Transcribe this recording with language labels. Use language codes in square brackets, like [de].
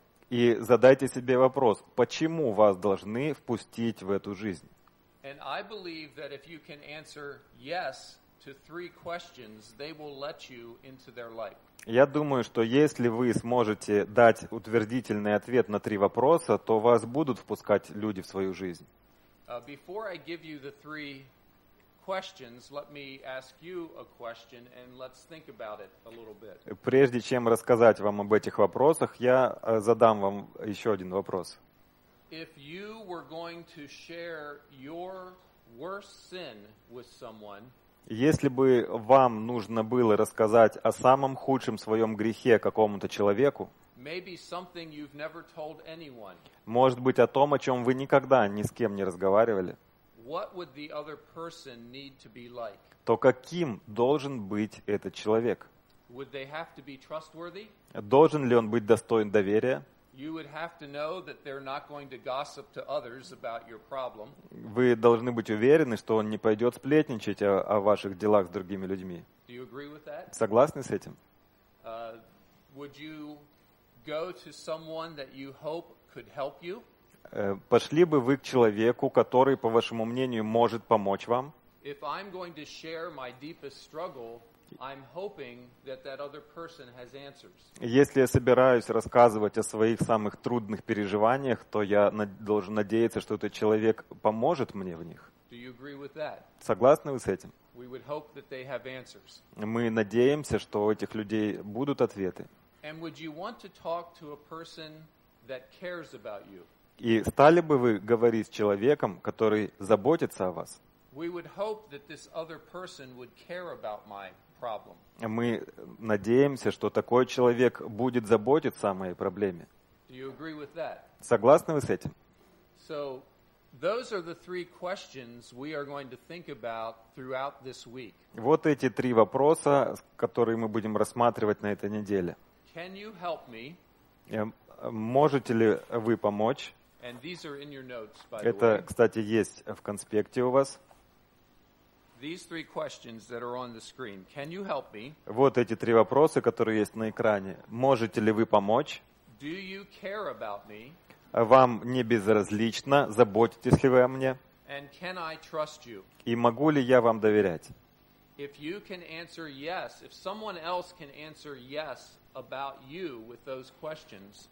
[ru] И задайте себе вопрос, почему вас должны впустить в эту жизнь? И я верю, что если вы можете ответить «да» на три вопроса, они впустят вас в их жизнь. Я думаю, что если вы сможете дать утвердительный ответ на три вопроса, то вас будут впускать люди в свою жизнь. [en] Before I give you the three questions, let me ask you a question and let's think about it a little bit. [ru] Прежде чем рассказать вам об этих вопросах, я задам вам еще один вопрос. [en] If you were going to share your worst sin with someone, [ru] если бы вам нужно было рассказать о самом худшем своем грехе какому-то человеку, [en] maybe something you've never told anyone. [ru] Может быть, о том, о чем вы никогда ни с кем не разговаривали. [en] What would the other person need to be like? [ru] То каким должен быть этот человек? [en] Would they have to be trustworthy? [ru] Должен ли он быть достоин доверия? [en] You would have to know that they're not going to gossip to others about your problem. [ru] Вы должны быть уверены, что он не пойдет сплетничать о ваших делах с другими людьми. [en] Do you agree with that? [ru] Согласны с этим? [en] Would you go to someone that you hope could help you? [ru] Пошли бы вы к человеку, который, по вашему мнению, может помочь вам? [en] If I'm going to share my deepest struggle, I'm hoping that that other person has answers. [ru] Если я собираюсь рассказывать о своих самых трудных переживаниях, то я должен надеяться, что этот человек поможет мне в них. [en] Do you agree with that? [ru] Согласны вы с этим? [en] We would hope that they have answers. [ru] Мы надеемся, что у этих людей будут ответы. [en] And would you want to talk to a person that cares about you? [ru] И стали бы вы говорить с человеком, который заботится о вас? [en] We would hope that this other person would care about my problem. [ru] Мы надеемся, что такой человек будет заботиться о моей проблеме. [en] Do you agree with that? [ru] Согласны вы с этим? [en] So those are the three questions we are going to think about throughout this week. [ru] Вот эти три вопроса, которые мы будем рассматривать на этой неделе. [en] Can you help me? [ru] Можете ли вы помочь? [en] And these are in your notes, by the way. [ru] Это, кстати, есть в конспекте у вас. [en] These three questions that are on the screen. Can you help me? [ru] Вот эти три вопроса, которые есть на экране. Можете ли вы помочь? [en] Do you care about me? [ru] Вам не безразлично, заботитесь ли вы о мне? [en] And can I trust you? [ru] И могу ли я вам доверять? [en] If you can answer yes, if someone else can answer yes about you with those questions.